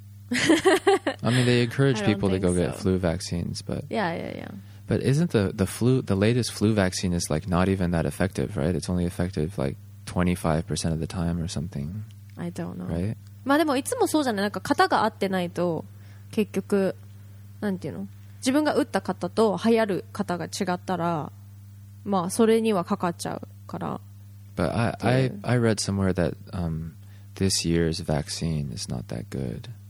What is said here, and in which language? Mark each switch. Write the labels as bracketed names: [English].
[English] I mean, they encourage people to go get flu vaccines, but yeah. But isn't the latest flu vaccine is like not even that effective, right? It's only effective like 25% of the time or something. I don't know. Right? [Japanese] まあでもいつもそうじゃない。なんか型が合ってないと結局なんていうの？自分が打った型と流行る型が違ったら、まあそれにはかかっちゃうから。 [English] But I read somewhere that this year's vaccine is not that good.